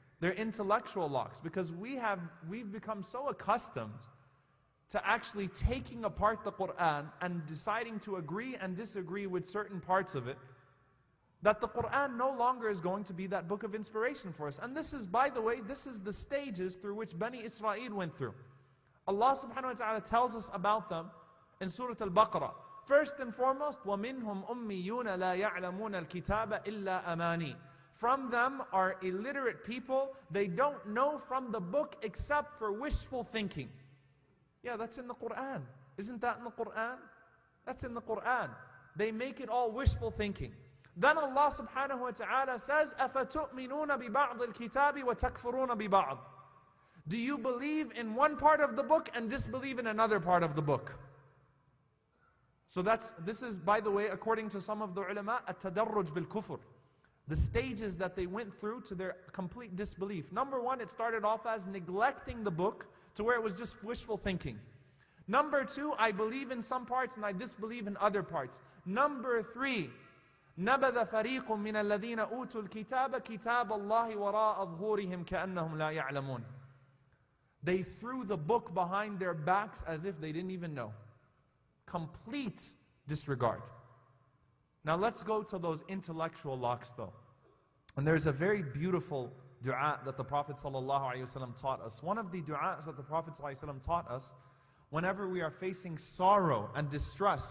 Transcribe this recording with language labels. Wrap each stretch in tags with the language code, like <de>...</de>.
<en>They're intellectual locks because we've become so accustomed to actually taking apart the Qur'an and deciding to agree and disagree with certain parts of it that the Qur'an no longer is going to be that book of inspiration for us. And this is, by the way, this is the stages through which Bani Israel went through. Allah subhanahu wa ta'ala tells us about them in Surah Al-Baqarah. First and foremost,</en> <ar>وَمِنْهُمْ أُمِّيُّونَ لَا يَعْلَمُونَ الْكِتَابَ إِلَّا أَمَانِي.</ar> <en>From them are illiterate people. They don't know from the book except for wishful thinking. Yeah, that's in the Qur'an. Isn't that in the Qur'an? That's in the Qur'an. They make it all wishful thinking. Then Allah subhanahu wa ta'ala says,</en> <ar>أَفَتُؤْمِنُونَ بِبَعْضِ الْكِتَابِ وَتَكْفُرُونَ بِبَعْضِ.</ar> <en>Do you believe in one part of the book and disbelieve in another part of the book? So this is, by the way, according to some of the ulama,</en> <ar>التَدَرُّج بِالْكُفُرْ.</ar> <en>The stages that they went through to their complete disbelief. Number one, it started off as neglecting the book to where it was just wishful thinking. Number two, I believe in some parts and I disbelieve in other parts. Number three,</en> <ar>نَبَذَ فَرِيقٌ مِّنَ الَّذِينَ أُوتُوا الْكِتَابَ كِتَابَ اللَّهِ وَرَاءَ ظْهُورِهِمْ كَأَنَّهُمْ لَا يَعْلَمُونَ.</ar> <en>They threw the book behind their backs as if they didn't even know. Complete disregard. Now let's go to those intellectual locks though. And there's a very beautiful dua that the Prophet ﷺ taught us. One of the duas that the Prophet ﷺ taught us whenever we are facing sorrow and distress.</en>